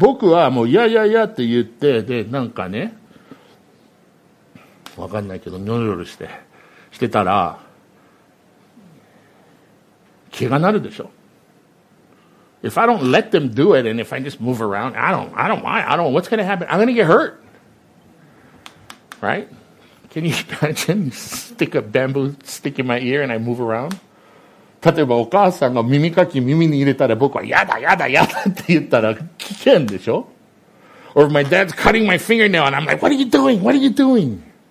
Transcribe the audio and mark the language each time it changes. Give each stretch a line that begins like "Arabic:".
Japanese: この2つのことはね、僕がそういうことをやらせないと無理でしょ。もし僕はもういやいやいやって言って、でなんかね、
English: If I don't let them do it, and if I just move around, I don't. What's going to happen? I'm going to get hurt. Right? Can you imagine? Stick a bamboo stick in my ear, and I move around.
Japanese: 例えばお母さんが耳かき耳に入れたら僕はやだやだやだって言ったら危険でしょ?
English: Or if my dad's cutting my fingernail, and I'm like, What are you doing?